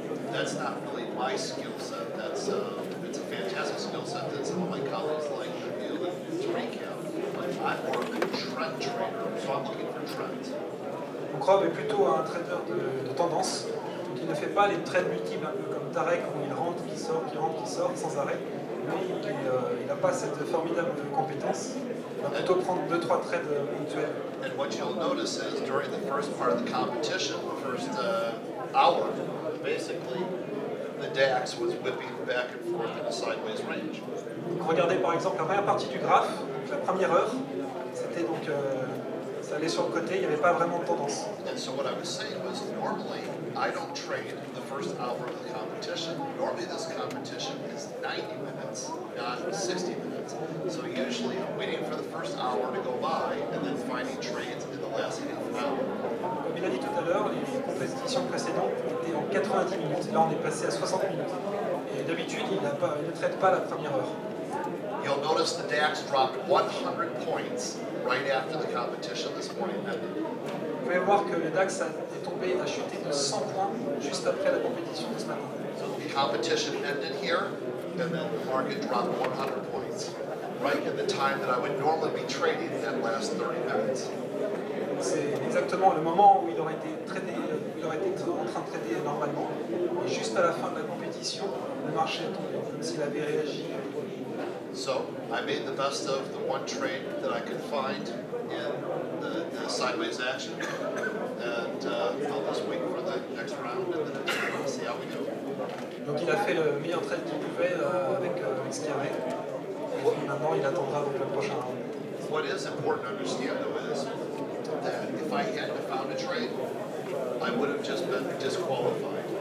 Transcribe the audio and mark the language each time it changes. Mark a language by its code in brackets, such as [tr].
[en] That's not really my skill set. It's a fantastic skill set that some of my colleagues like to be able to recap. But I'm more of a trend trader, so I'm looking for trends. [fr] Donc Rob est plutôt un trader de tendance. Donc il ne fait pas les trades multiples un peu comme Tarek où il rentre, qui sort, qui rentre, qui sort sans arrêt. Lui, il n'a pas cette formidable compétence. Il va plutôt prendre 2-3 trades ponctuels. [en] And what you'll notice is during the first part of the competition, the first hour, basically, the DAX was whipping back and forth in a sideways range. [fr] Donc regardez par exemple la première partie du graphe, la première heure, c'était donc ça allait sur le côté, il n'y avait pas vraiment de tendance. [en] And so what I was saying was, normally, I don't trade the first hour of the competition. Normally, this competition is 90 minutes, not 60 minutes. So usually, I'm waiting for the first hour to go by, and then finding trades in the last half an hour. [fr] Comme il a dit tout à l'heure, les compétitions précédentes étaient en 90 minutes, et là, on est passé à 60 minutes. Et d'habitude, il ne traite pas la première heure. [en] You'll notice the DAX dropped 100 points right after the competition this morning. [fr] Vous pouvez voir que le DAX a chuté de 100 points juste après la compétition ce matin. [en] So the competition ended here, and then the market dropped 100 points right in the time that I would normally be trading that last 30 minutes. [fr] C'est exactement le moment où il aurait été en train de trader normalement. Et juste à la fin de la compétition, le marché est tombé, comme s'il avait réagi. [en] So, I made the best of the one trade that I could find in the sideways action, and I'll just wait for the next round and then we'll see how we do. [fr] Donc il a fait le meilleur trade qu'il pouvait avec ce qu'il y avait, et maintenant il attendra donc le prochain round. [en] What is important to understand though is that if I hadn't found a trade, I would have just been disqualified.